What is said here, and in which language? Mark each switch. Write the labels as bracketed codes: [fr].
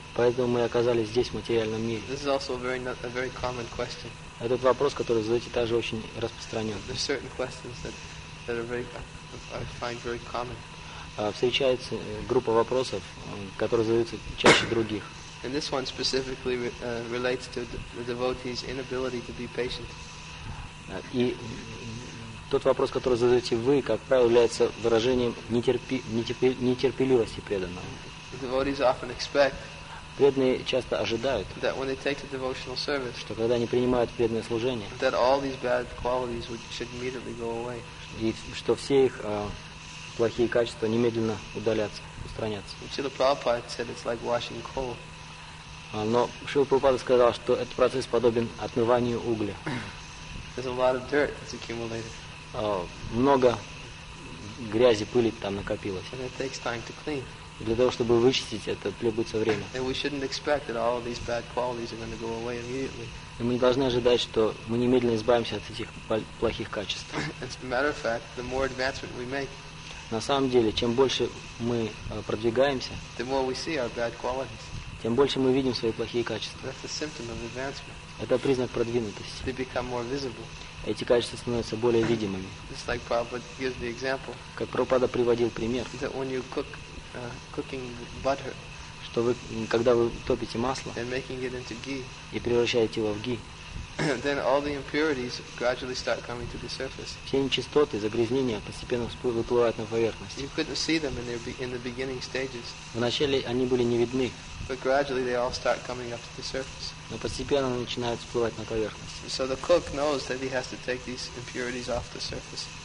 [ru] Поэтому мы оказались здесь, в материальном мире. [en] This is also a very common question. [ru] Этот вопрос, который задаете, также очень распространен. [en] There are certain questions that are very, I find very common. [ru] Встречается группа вопросов, которые задаются чаще других. [en] And this one specifically relates to the devotee's inability to be patient. [ru] И тот вопрос, который задаете вы, как правило, является выражением нетерпеливости преданного. [en] Devotees often expect. [ru] Преданные часто ожидают, [en] that when they take the devotional service, [ru] что когда они принимают преданное служение, [en] that all these bad qualities should immediately go away. [ru] И что все их плохие качества немедленно удалятся, устранятся. [en] Srila Prabhupada said it's like washing coal. [ru] Но Шрила Прабхупада сказал, что этот процесс подобен отмыванию угля. [en] There's a lot of dirt that's accumulated. [ru] Много грязи, пыли там накопилось. [en] And it takes time to clean. [ru] Для того, чтобы вычистить это, требуется время. [en] And we shouldn't expect that all of these bad qualities are going to go away immediately. [ru] И мы не должны ожидать, что мы немедленно избавимся от этих плохих качеств. [en] As a matter of fact, the more advancement we make. [ru] На самом деле, чем больше мы продвигаемся, [en] the more we see our bad qualities. [ru] Тем больше мы видим свои плохие качества. [en] That's a symptom of advancement. [ru] Это признак продвинутости. [en] They become more visible. [ru] Эти качества становятся более видимыми. [en] It's like Prabhupada gives the example. [ru] Как Прабхупада приводил пример. [en] That when you cook, cooking butter, [ru] что вы, когда вы топите масло, [en] and making it into ghee, [ru] и превращаете его в ghee, [en] then all the impurities gradually start coming to the surface. [ru] Все нечистоты, загрязнения постепенно выплывают на поверхность. [en] You couldn't see them in the beginning stages. [ru] Вначале они были не видны. [en] But gradually they all start coming up to the surface. [ru] Но постепенно они начинают всплывать на поверхность. [en] So the cook knows that he has to take these impurities off the surface.